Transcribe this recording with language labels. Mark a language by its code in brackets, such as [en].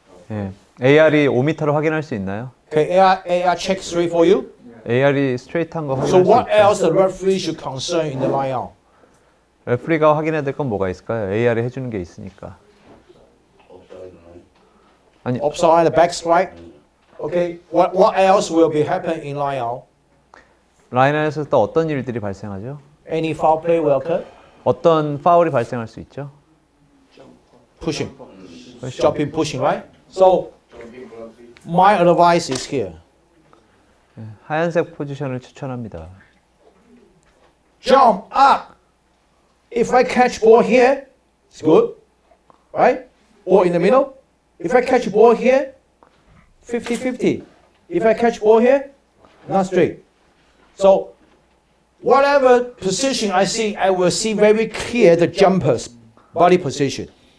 [ko] 예, AR이 5m를 확인할 수 있나요? [en] Can AR check straight for you? [ko] AR이 스트레이트한 거 확인할 수 있나요? [en] So what else the referee should concern in the line-out? [ko] 레프리가 확인해야 될 건 뭐가 있을까요? AR이 해주는 게 있으니까. [en] 아니, upside the back strike. Okay. What else will be happen in line-out? [ko] 라인아웃에서 또 어떤 일들이 발생하죠? [en] Any foul play will occur? [ko] 어떤 파울이 발생할 수 있죠? [en] Pushing, jumping, pushing, right? So, my advice is here. [ko] 하얀색 포지션을 추천합니다. [en] Jump up. If I catch ball here, it's good, right? Or in the middle. If I catch ball here, 50-50. If I catch ball here, not straight. So, whatever position I see, I will see very clear the jumper's body position.